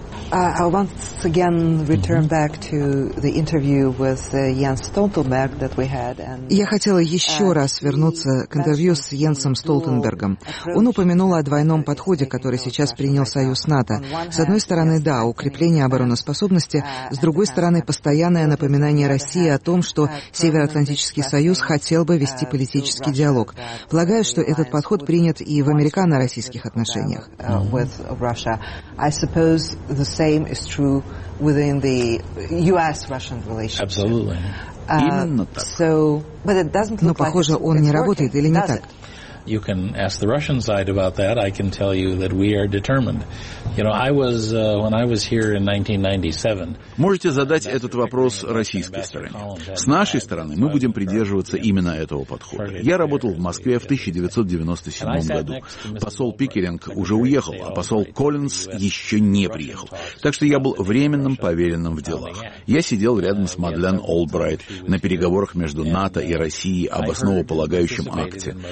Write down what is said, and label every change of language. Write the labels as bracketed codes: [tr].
[en] I'll once again return back to the interview with Jens Stoltenberg that we had. [ru] Я хотела еще раз вернуться к интервью с Йенсом Столтенбергом. Он упомянул о двойном подходе, который сейчас принял Союз НАТО. С одной стороны, да, укрепление обороноспособности, с другой стороны, постоянное напоминание России о том, что Североатлантический Союз хотел бы вести политический диалог. Полагаю, что этот подход принят и в американо-российских отношениях. [en] Same is true within the U.S.-Russian relationship. Absolutely. [ru] Именно так. [en] But it doesn't look [ru] Но, похоже, [en] like [ru] он не работает, или не так? [en] You can ask the Russian side about that. I can tell you that we are determined. You know, I was when I was here in 1997. [ru] Можете задать этот вопрос российской стороне. С нашей стороны мы будем придерживаться именно этого подхода. Я работал в Москве в 1997 году. Посол Пикеринг уже уехал, а посол Коллинз еще не приехал. Так что я был временным поверенным в делах. Я сидел рядом с Мадлен Олбрайт на переговорах между НАТО и Россией об основополагающем акте.